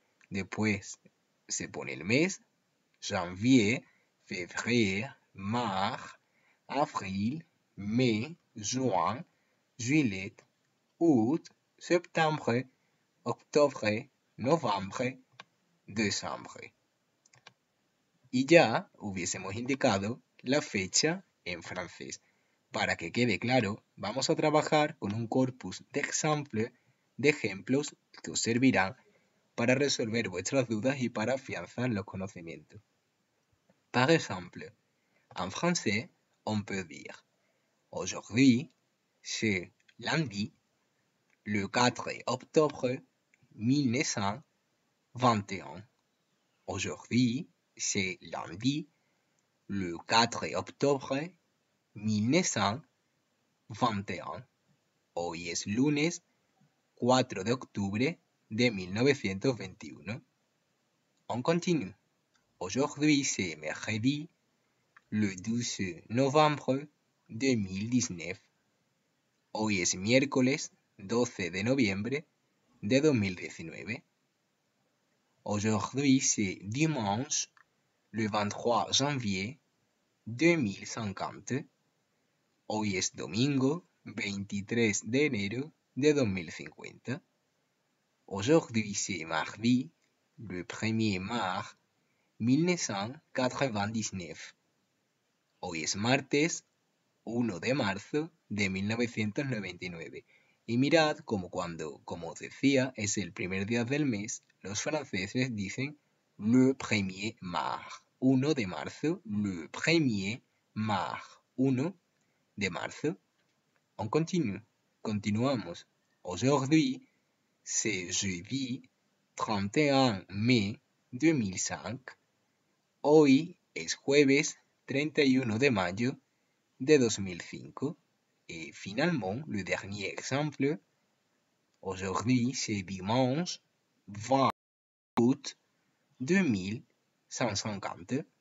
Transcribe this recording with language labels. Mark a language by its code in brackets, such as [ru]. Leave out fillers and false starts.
[es] Después se pone el mes, [fr] janvier, février, mars, avril, mai, juin, juillet, août, septembre, octobre, novembre, décembre. [es] Y ya hubiésemos indicado la fecha en francés. Para que quede claro, vamos a trabajar con un corpus de ejemplos que os servirán para resolver vuestras dudas y para afianzar los conocimientos. [fr] Par exemple, en français, on peut dire aujourd'hui, c'est lundi, le 4 octobre 1921. Aujourd'hui, c'est lundi, le 4 octobre 1921. [es] Hoy es lunes 4 de octubre de 1921. [fr] On continue. Aujourd'hui, c'est mercredi, le 12 novembre 2019. [es] Hoy es miércoles 12 de noviembre de 2019. [fr] Aujourd'hui, c'est dimanche, le 23 janvier 2050. [es] Hoy es domingo, 23 de enero de 2050. [fr] Aujourd'hui, c'est mardi, le 1er mars 1999. [es] Hoy es martes, 1 de marzo de 1999. Y mirad cómo cuando, como os decía, es el primer día del mes, los franceses dicen [fr] le premier mars, [es] 1 de marzo, le premier mars, 1 de marzo. [fr] On continue, [es] continuamos. [fr] Aujourd'hui, c'est jeudi 31 mai 2005. [es] Hoy es jueves 31 de mayo de 2005. [fr] Et finalement, le dernier exemple, aujourd'hui, c'est dimanche 20 août 2150.